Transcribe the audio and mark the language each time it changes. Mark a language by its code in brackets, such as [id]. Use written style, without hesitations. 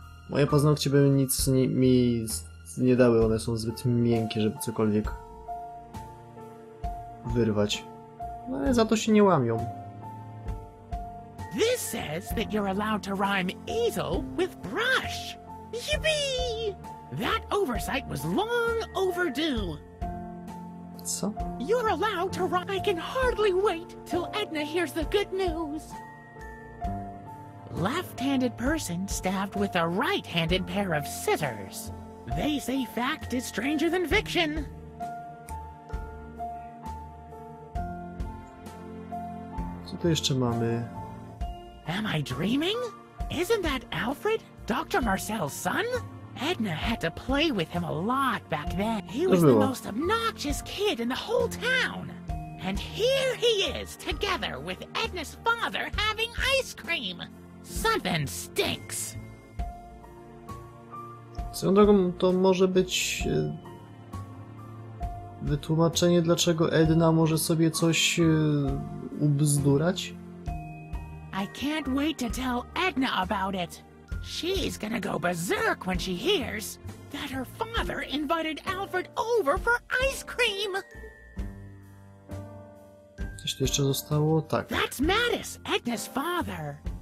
[pl] Moje paznokcie by nic mi nie dały. One są zbyt miękkie, żeby cokolwiek wyrwać. Ale za to się nie łamią. [en] This says that you're allowed to rhyme easel with brush. Yippee! That oversight was long overdue. So? You're allowed to rhyme. I can hardly wait till Edna hears the good news. Left-handed person stabbed with a right-handed pair of scissors. They say fact is stranger than fiction. [pl] Co tu jeszcze mamy? [en] Am I dreaming? Isn't that Alfred, Dr. Marcel's son? Edna had to play with him a lot back then. He was the most obnoxious kid in the whole town. And here he is, together with Edna's father having ice cream. Something stinks. [pl] Swoją drogą, to może być wytłumaczenie, dlaczego Edna może sobie coś ubzdurać? [en] I can't wait to tell Edna about it. She's gonna go berserk when she hears that her father invited Alfred over for ice cream. [pl] Coś tu jeszcze zostało? Tak. [en] That's Mattis, Edna's father.